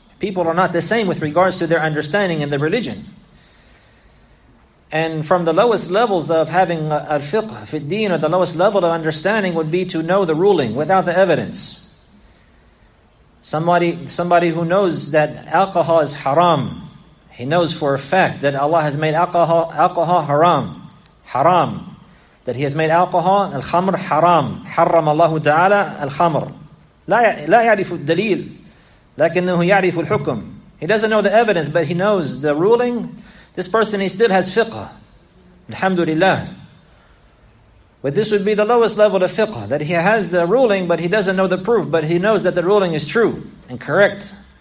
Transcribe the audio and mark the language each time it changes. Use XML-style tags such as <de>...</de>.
<en>People are not the same with regards to their understanding in the religion. And from the lowest levels of having al-fiqh fi al-deen, or the lowest level of understanding, would be to know the ruling without the evidence. Somebody who knows that alcohol is haram, he knows for a fact that Allah has made alcohol haram. Haram. That He has made alcohol, al-khamr, haram.</en> <ar>Haram Allah ta'ala, al-khamr. لا يعرف الدليل, لكنه يعرف الحكم.</ar> <en>He doesn't know the evidence, but he knows the ruling. This person, he still has fiqh. Alhamdulillah. But this would be the lowest level of fiqh, that he has the ruling, but he doesn't know the proof, but he knows that the ruling is true and correct.</en>